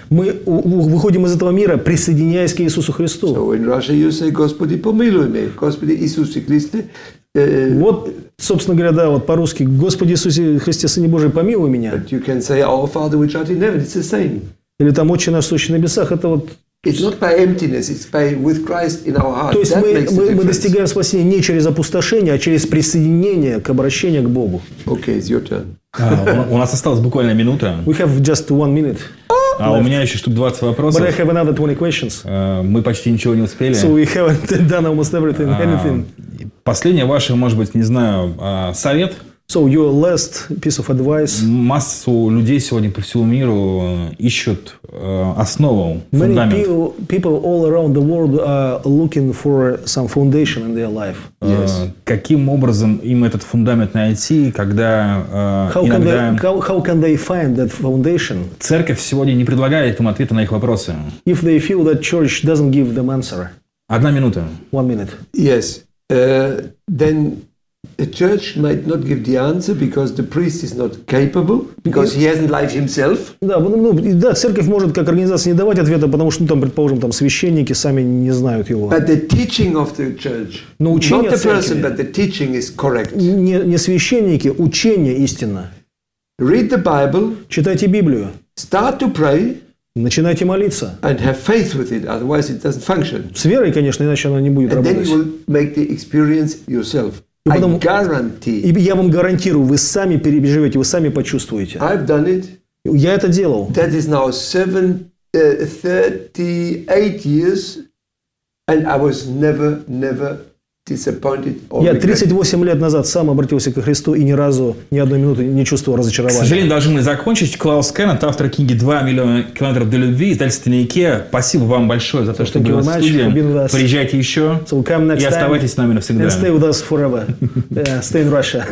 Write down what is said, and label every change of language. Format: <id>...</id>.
<ru>Мы выходим из этого мира, присоединяясь к Иисусу Христу.</ru> <en>So in Russia you say,</en> <ru>Господи, помилуй меня, Господи Иисусе Христе. Вот, собственно говоря, да, вот по-русски, Господи Иисусе Христе, Сыне Божий, помилуй меня.</ru> <en>But you can say, Our Father which art in heaven. It's the same.</en> <ru>Или там «Отче наш, сущий на небесах» – это вот…</ru> <en>It's not by emptiness, it's by with Christ in our heart.</en> <ru>То есть мы достигаем спасения не через опустошение, а через присоединение к обращению к Богу.</ru> <en>Okay, it's your turn.</en> <ru>У нас осталась буквально минута.</ru> <en>We have just one minute.</en> <ru>А у меня еще штук 20 вопросов.</ru> <en>But I have another 20 questions.</en> <ru>Мы почти ничего не успели.</ru> <en>So we haven't done almost everything, anything.</en> <ru>Последнее ваше, может быть, не знаю, совет.</ru> <en>So your last piece of advice.</en> <ru>Массу людей сегодня по всему миру ищут основу,</ru> <en>Many</en> <ru>фундамент.</ru> <en>Many people all around the world are looking for some foundation in their life. Yes.</en> <ru>Каким образом им этот фундамент найти, когда</ru> <en>How can they find that foundation?</en> <ru>Церковь сегодня не предлагает им ответа на их вопросы.</ru> <en>If they feel that church doesn't give them answer.</en> <ru>Одна минута.</ru> <en>One minute. Yes. Then A church might not give the answer because the priest is not capable, because he hasn't life himself.</en> <ru>Да, ну, да, церковь может как организация не давать ответа, потому что, ну, там, предположим, там священники сами не знают его.</ru> <en>But the teaching of the church,</en> <ru>но учение</ru> <en>not the</en> <ru>церкви,</ru> <en>person, but the teaching is correct.</en> <ru>Не священники, учение истинно.</ru> <en>Read the Bible.</en> <ru>Читайте Библию.</ru> <en>Start to pray.</en> <ru>Начинайте молиться.</ru> <en>And have faith with it, otherwise it doesn't function.</en> <ru>С верой, конечно, иначе она не будет</ru> <en>and</en> <ru>работать.</ru> <en>Then you will make the experience yourself.</en> <ru>И потом, я вам гарантирую, вы сами переживете, вы сами почувствуете.</ru> <en>I've done it.</en> <ru>Я это делал.</ru> <en>That is now 38 years, and I was never disappointed or regretted.</en> <ru>Я 38 лет назад сам обратился ко Христу и ни разу, ни одной минуты не чувствовал разочарования. К сожалению, должны мы закончить. Клаус Кеннет, автор книги «2 миллиона километров до любви», издательство «Никея». Спасибо вам большое за то, что были в студии. Приезжайте еще.</ru> <en>So come next</en> <ru>и оставайтесь</ru> <en>time</en> <ru>с нами навсегда.</ru> <en>And stay with us forever. Stay in Russia.</en>